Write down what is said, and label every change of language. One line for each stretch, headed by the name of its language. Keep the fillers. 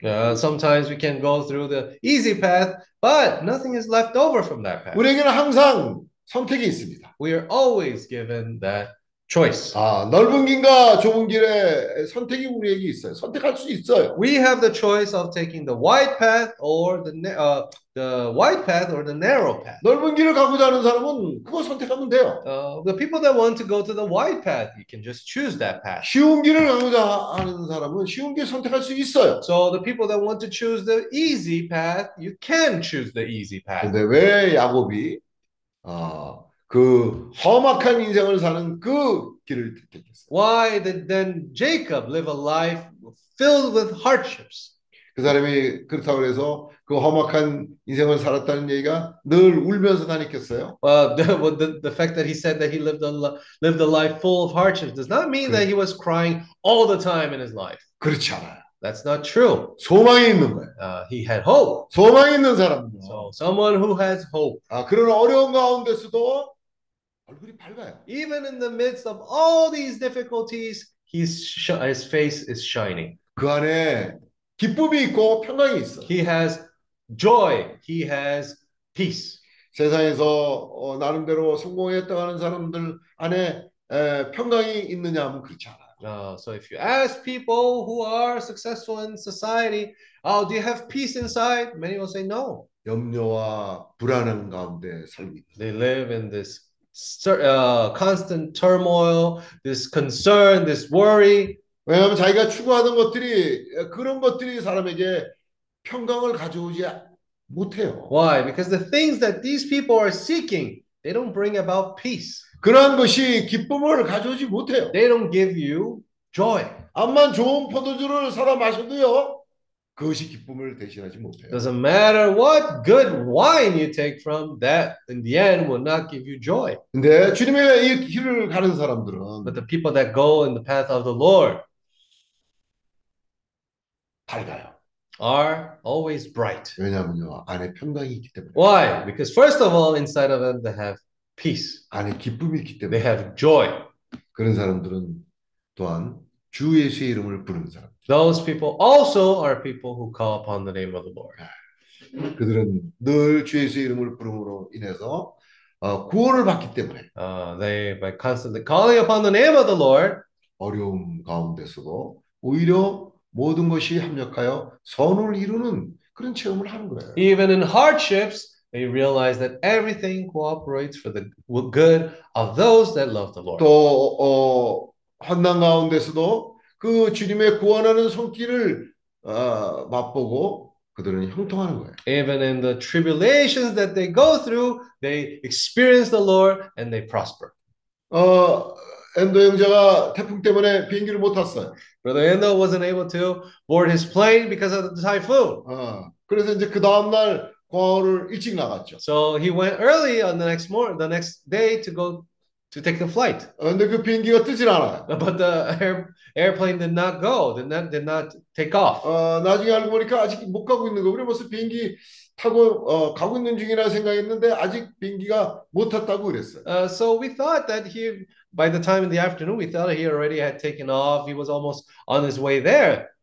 English: Uh, sometimes we can go through the easy path but nothing is left over from that path.
Korean: 우리에게는 항상 선택이 있습니다.
English: We are always given that choice.
Korean: 아, 넓은 길과 좁은 길의 선택이 우리에게 있어요. 선택할 수 있어요.
English: We have the choice of taking the wide path or the uh, the wide path or the narrow path.
Korean: 넓은 길을 가고자 하는 사람은 그거 선택하면 돼요.
English: Uh, the people that want to go to the wide path, you can just choose that path.
Korean: 쉬운 길을 가고자 하는 사람은 쉬운 길 선택할 수 있어요.
English: So the people that want to choose the easy path, you can choose the easy path.
Korean: 근데 왜 야곱이 어그 험악한 인생을 사는 그 길을 택했어요.
English: Why then Jacob live a life filled with hardships?
Korean: 그 사람이 그렇다고 해서 그 험악한 인생을 살았다는 얘기가 늘 울면서 다니겠어요?
English: Well, the, the, the fact that he said that he lived a, lived a life full of hardships does not mean
Korean: 그래.
English: that he was crying all the time in his life.
Korean: 그렇지 않아요.
English: That's not true.
Korean: 소망이 있는 거예요.
English: Uh, he had hope.
Korean: 소망이 있는 사람.
English: So, someone who has hope.
Korean: 아, 그런 어려운 가운데서도 밝아요.
English: Even in the midst of all these difficulties, he's his face is shining. He has joy. He has peace.
Korean: 세상에서 어, 나름대로 성공했다 하는 사람들 안에 에, 평강이 있느냐 하면 그렇지
English: no. so if you ask people who are successful in society, oh, do you have peace inside? Many will say no.
Korean: 염려와 불안한 가운데 살고
English: They live in this constant turmoil, this concern, this worry.
Korean: 왜냐하면 자기가 추구하는 것들이 그런 것들이 사람에게 평강을 가져오지 못해요.
English: Why? Because the things that these people are seeking, they don't bring about peace.
Korean: 그런 것이 기쁨을 가져오지 못해요.
English: They don't give you joy.
Korean: 암만 좋은 포도주를 사람 마셔도요. 그것이 기쁨을 대신하지 못해요.
English: Doesn't matter what good wine you take from that in the end will not give you joy.
Korean: 근데 주님의 이 길을 가는 사람들은
English: But the people that go in the path of the Lord
Korean: 밝아요.
English: are always bright.
Korean: 왜냐면요. 안에 평강이 있기 때문에.
English: Why? Because first of all inside of them they have peace.
Korean: 안에 기쁨이 있기 때문에.
English: They have joy.
Korean: 그런 사람들은 또한 주 예수의 이름을 부르는 사람
English: Those people also are people who call upon the name of the Lord.
Korean: 그들은 늘 주의 이름을 부름으로 인해서 구원을 받기 때문에.
English: Uh, they by constantly calling upon the name of the Lord.
Korean: 어려움 가운데서도 오히려 모든 것이 합력하여 선을 이루는 그런 체험을 하는 거예요.
English: Even in hardships, they realize that everything cooperates for the good of those that love the Lord.
Korean: 또 어, 한난 가운데서도 그 주님의 구원하는 손길을 어, 맛보고 그들은 형통하는 거예요.
English: Even in the tribulations that they go through, they experience the Lord and they prosper.
Korean: 엔더 어, 형제가 태풍 때문에 비행기를 못 탔어요.
English: Brother Endo wasn't able to board his plane because of the typhoon.
Korean: 어, 그래서 이제 그 다음 날 광어를 일찍 나갔죠.
English: So he went early on the next morning, the next day to go to take the flight. But the airplane did not go, did not, did not take off. Uh, so we thought that he, by the time in the afternoon, we thought he already had taken off, he was almost on his way there.